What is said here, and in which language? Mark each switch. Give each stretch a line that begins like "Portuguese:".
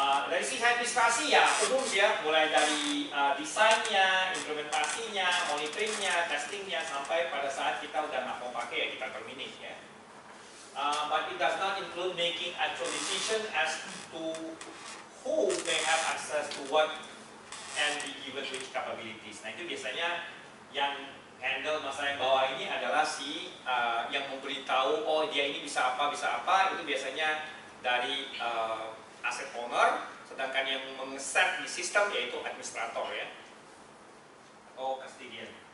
Indonesian: Dari sisi administrasi ya umum sih ya, mulai dari desainnya, implementasinya, monitoringnya, testingnya sampai pada saat kita udah nggak mau pakai ya kita terminate ya.
English: But it does not include making actual decision as to who may have access to what and be given which capabilities.
Indonesian: Nah, itu biasanya yang handle masalah yang bawah ini adalah si yang memberitahu, oh dia ini bisa apa, itu biasanya dari asset owner, sedangkan yang mengeset di sistem yaitu administrator ya, atau custodian.